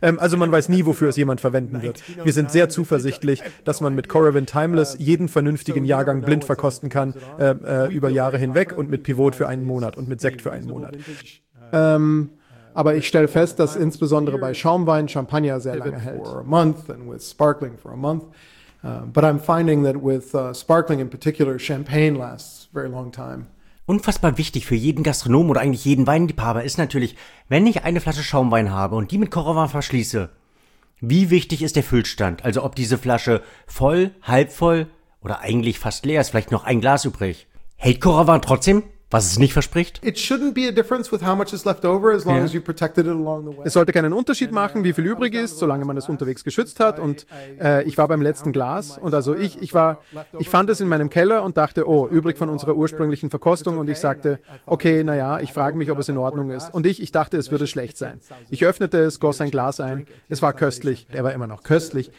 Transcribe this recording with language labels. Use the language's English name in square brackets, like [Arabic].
[German] Also man weiß nie, wofür es jemand verwenden wird. Wir sind sehr zuversichtlich, dass man mit Coravin Timeless jeden vernünftigen Jahrgang blind verkosten kann, über Jahre hinweg und mit Pivot für einen Monat und mit Sekt für einen Monat. Aber ich stelle fest, dass insbesondere bei Schaumwein Champagner sehr lange hält. [English] For a month and with sparkling for a month. But I'm finding that with sparkling in particular, champagne lasts very long time. [German] Unfassbar wichtig für jeden Gastronom oder eigentlich jeden Weinliebhaber ist natürlich, wenn ich eine Flasche Schaumwein habe und die mit Coravin verschließe, wie wichtig ist der Füllstand? Also ob diese Flasche voll, halb voll oder eigentlich fast leer ist, vielleicht noch ein Glas übrig. Hält Coravin trotzdem? Was es nicht verspricht? [English] It shouldn't be a difference with how much is left over as long as you protected it along the way. [German] Es sollte keinen Unterschied machen, wie viel übrig ist, solange man es unterwegs geschützt hat. Und ich war beim letzten Glas und also ich fand es in meinem Keller und dachte, oh, übrig von unserer ursprünglichen Verkostung. Und ich sagte, okay, naja, ich frage mich, ob es in Ordnung ist. Und ich dachte, es würde schlecht sein. Ich öffnete es, goss ein Glas ein. Es war köstlich. Er war immer noch köstlich.